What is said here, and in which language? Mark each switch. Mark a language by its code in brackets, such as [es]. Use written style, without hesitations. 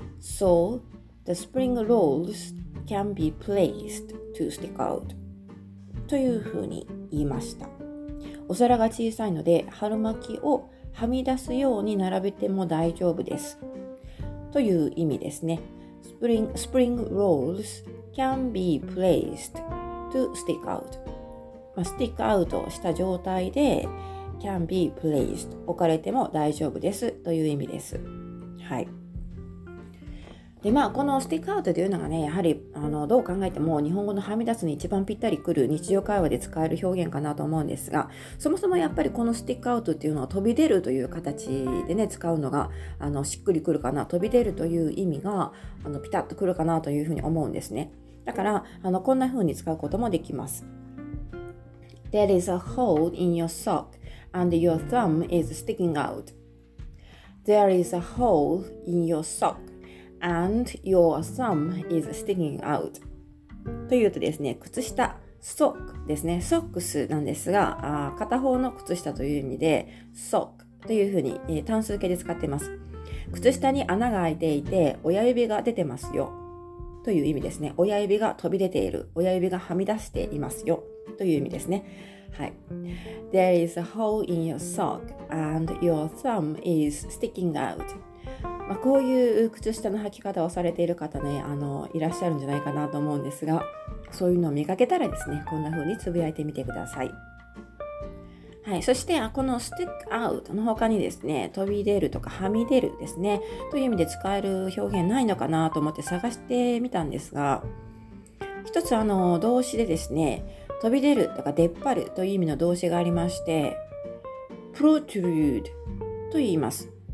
[en] so the spring rolls can be placed to stick out. [ja] というふうに言いました。お皿が小さいので春巻きをはみ出すように並べても大丈夫です。という意味ですね。 [en] Spring rolls can be placed to stick out.、 [ja] まあ、stick out した状態で [en] can be placed [ja] 置かれても大丈夫ですという意味です。はい。で、まあ、このスティックアウトというのがね、やはり、どう考えても、日本語のはみ出すに一番ぴったりくる日常会話で使える表現かなと思うんですが、そもそもやっぱりこのスティックアウトっていうのは飛び出るという形でね、使うのが、しっくりくるかな、飛び出るという意味が、ピタッとくるかなというふうに思うんですね。だから、こんなふうに使うこともできます。 [en] There is a hole in your sock and your thumb is sticking out. There is a hole in your sock. And your thumb is sticking out. [ja] というとですね、靴下、ソックですね、ソックスなんですが、片方の靴下という意味で、ソックというふうに、単数形で使っています。靴下に穴が開いていて、親指が出てますよ。という意味ですね。親指が飛び出ている。親指がはみ出していますよ。という意味ですね。はい。 [en] There is a hole in your sock and your thumb is sticking out. [ja] まあ、こういう靴下の履き方をされている方ね、いらっしゃるんじゃないかなと思うんですが、そういうのを見かけたらですね、こんな風につぶやいてみてください。はい、そしてこの stick out の他にですね、飛び出るとかはみ出るですね、という意味で使える表現ないのかなと思って探してみたんですが、一つ動詞でですね、飛び出るとか出っ張るという意味の動詞がありまして、protrude と言います。